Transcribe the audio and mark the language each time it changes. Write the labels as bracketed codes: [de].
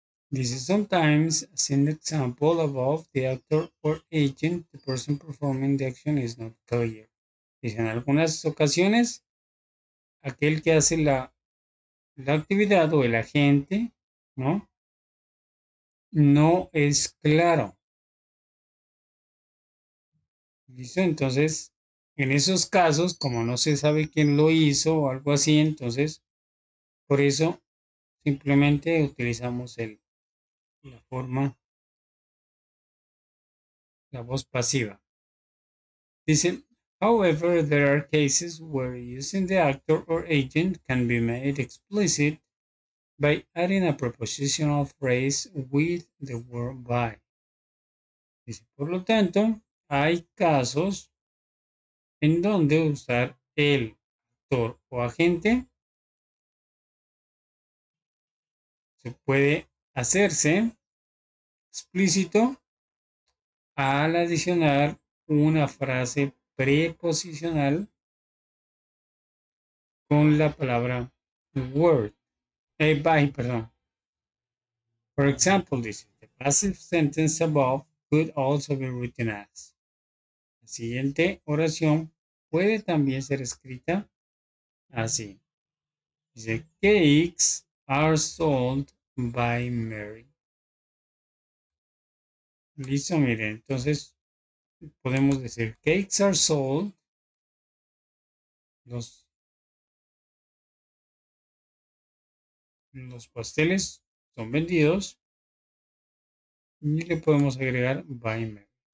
[es] Dice, [en] sometimes, as in the example above, the actor or agent, the person performing the action is not clear. [es] Dice, en algunas ocasiones, aquel que hace la actividad o el agente, ¿no? No es claro. Dice, entonces, en esos casos, como no se sabe quién lo hizo o algo así, entonces, por eso, simplemente utilizamos la forma, la voz pasiva. Dice, [en] however, there are cases where using the actor or agent can be made explicit by adding a prepositional phrase with the word by. [es] Dice, por lo tanto, hay casos en donde usar el actor o agente se puede hacerse explícito al adicionar una frase preposicional con la palabra word. [en] For example, this, the passive sentence above could also be written as. [es] La siguiente oración puede también ser escrita así. Dice, [en] cakes are sold by Mary. [es] Listo, miren, entonces podemos decir, [en] cakes are sold, [es] los pasteles son vendidos, y le podemos agregar [en] by me.